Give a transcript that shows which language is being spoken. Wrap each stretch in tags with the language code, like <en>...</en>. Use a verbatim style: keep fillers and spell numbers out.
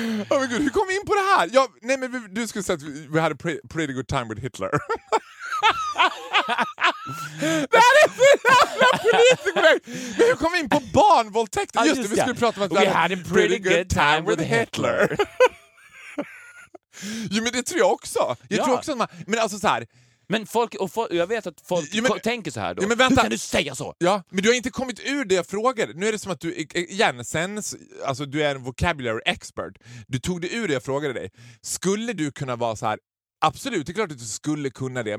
<sv>Oh my God, hur kom vi in på det här? Jag, nej men vi, du skulle säga att vi, vi hade pre,</sv> <en>pretty good time with Hitler.</en> <sv>Det här är så jävla politiskt. Men hur kom vi in på barnvåldtäkter? Just det, vi skulle prata om att</sv> <en>we had a pretty good time with Hitler.</en> <sv>Jo men det tror jag också. Jag ja. tror också att man, men alltså så här. Men folk, och folk, jag vet att folk ja, men, tänker så här då. Ja, men vänta. Hur kan du säga så? Ja, men du har inte kommit ur det jag frågade. Nu är det som att du, igen, sen, alltså du är en</sv> <en>vocabulary expert.</en> <sv>Du tog det ur det jag frågade dig. Skulle du kunna vara så här, absolut, det är klart att du skulle kunna det.</sv>